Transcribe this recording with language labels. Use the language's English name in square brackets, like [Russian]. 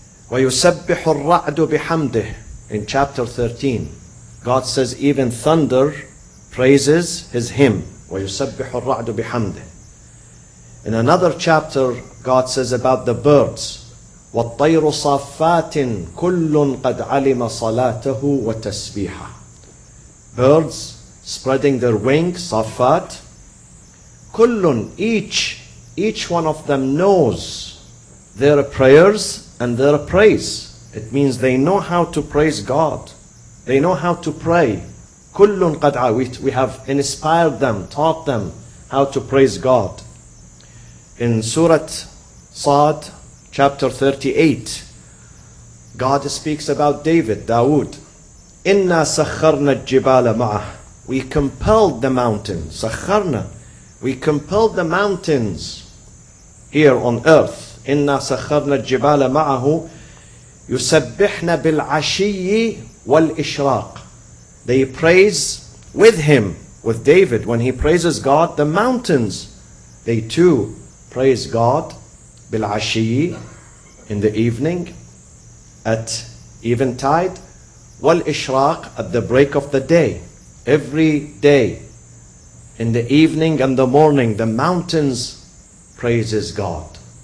[English] وَيُسَبِّحُ الرَّعْدُ بِحَمْدِهِ In chapter 13, God says even thunder praises his hymn. وَيُسَبِّحُ الرَّعْدُ بِحَمْدِهِ In another chapter, God says about the birds. [Arabic] وَالطَّيْرُ صَافَّاتٍ كُلٌّ قَدْ عَلِمَ صَلَاتَهُ وَتَسْبِيحَهُ Birds spreading their wings, safat. [English] Kullun, each one of them knows their prayers and their praise. It means they know how to praise God. They know how to pray. Kullun qad'a, we have inspired them, taught them how to praise God. In Surah Sad, chapter 38, God speaks about David, Dawood. [Arabic] إِنَّا سَخَّرْنَا الْجِبَالَ مَعَهُ We compelled the mountain. [English] سَخَّرْنَا We compelled the mountains here on earth. [Arabic] إِنَّا سَخَّرْنَا الْجِبَالَ مَعَهُ يُسَبِّحْنَا بِالْعَشِيِّ وَالْإِشْرَاقِ They praise with him, with David. [English] When he praises God, the mountains, they too praise God بِالْعَشِيِّ in the evening at eventide. والإشراق at the break of the day. Every day, in the evening and the morning, the mountains praises God.